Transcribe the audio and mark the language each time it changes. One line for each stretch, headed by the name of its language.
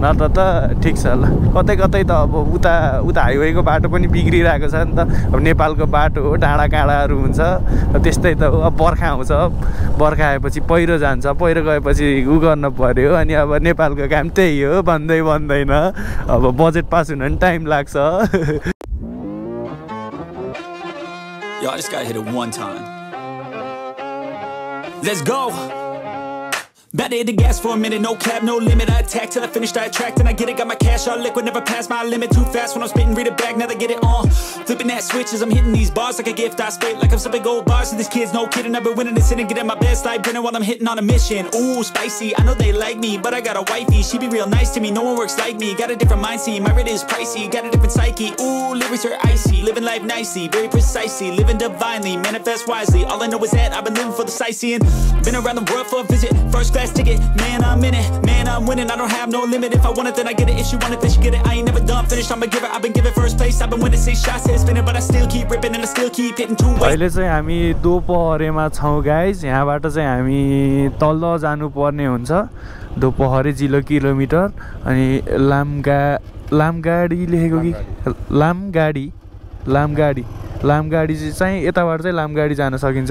Nepali: नत्र त ठिक छ होला. कतै कतै त अब उता उता हाइवेको बाटो पनि बिग्रिरहेको छ नि त. अब नेपालको बाटो हो, डाँडा काँडाहरू हुन्छ, त्यस्तै त हो. अब बर्खा आउँछ, बर्खा आएपछि पहिरो जान्छ, पहिरो गएपछि ऊ गर्नु पऱ्यो. अनि अब नेपालको काम त्यही हो, भन्दै भन्दैन. अब बजेट पास हुन टाइम लाग्छ.
English: Yo, I just got hit it one time. Let's go. Better hit the gas for a minute, no cap, no limit. I attack till I finish, I attract and I get it. Got my cash all liquid, never pass my limit. Too fast when I'm spitting, read it back, never get it on. Flipping that switch as I'm hitting these bars like a gift. I spit like I'm sipping gold bars to these kids, no kidding. I've been winning this hitting, getting my best life, grinning while I'm hitting on a mission. Ooh, spicy, I know they like me, but I got a wifey. She be real nice to me, no one works like me. Got a different mindset, my rate is pricey. Got a different psyche, ooh, lyrics are icy. Living life nicely, very precisely. Living divinely, manifest wisely. All I know is that I've been living for the sightseeing. Been around the world for a visit, first class ticket. Man, I'm in it, man, I'm winning. I don't have no limit, if I want it, then I get it. If she want it, then she get it. I ain't never done, finished, I'm a giver. I've been giving first place, I've been winning, say shots.
Nepali: अहिले चाहिँ हामी दोपहरेमा छौँ guys. यहाँबाट चाहिँ हामी तल जानुपर्ने हुन्छ दोपहरे जिलो किलोमिटर. अनि लामगाडी लेखेको कि लामगाडी चाहिँ यताबाट चाहिँ लामगाडी जान सकिन्छ.